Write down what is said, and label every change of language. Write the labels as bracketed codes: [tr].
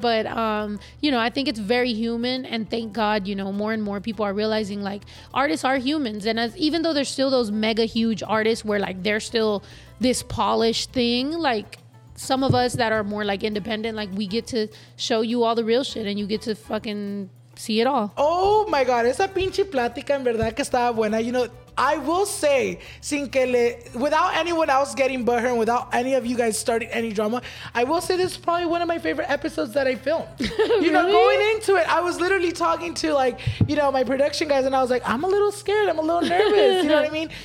[en] But, you know, I think it's very human, and thank God, you know, more and more people are realizing like artists are humans. And as even though there's still those mega huge artists where like they're still this polished thing, like, some of us that are more like independent, like, we get to show you all the real shit and you get to fucking see it all. Oh my God, [es] esa pinche plática en verdad que estaba buena. [en] You know, I will say, [es] sin que le, [en] without anyone else getting butthurt, without any of you guys starting any drama, I will say this is probably one of my favorite episodes that I filmed. You really? Know, going into it, I was literally talking to, like, you know, my production guys, and I was like, I'm a little scared, I'm a little nervous, you know what I mean?